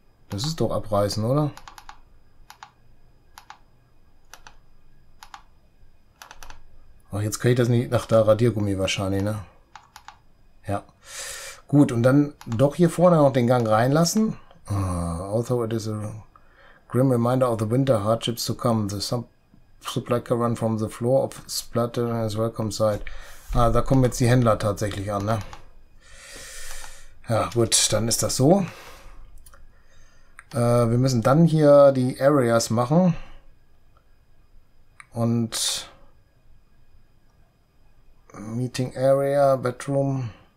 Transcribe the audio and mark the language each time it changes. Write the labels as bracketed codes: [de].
[de] Das ist doch abreißen, oder? Ach, jetzt kann ich das nicht nach der Radiergummi wahrscheinlich, ne? Ja. Gut, und dann doch hier vorne noch den Gang reinlassen. [en] Although it is a grim reminder of the winter hardships to come, the supply caravan from the floor of Splatter is welcome site. [de] Ah, da kommen jetzt die Händler tatsächlich an, ne? Ja, gut, dann ist das so. Wir müssen dann hier die Areas machen und Meeting Area, Bedroom.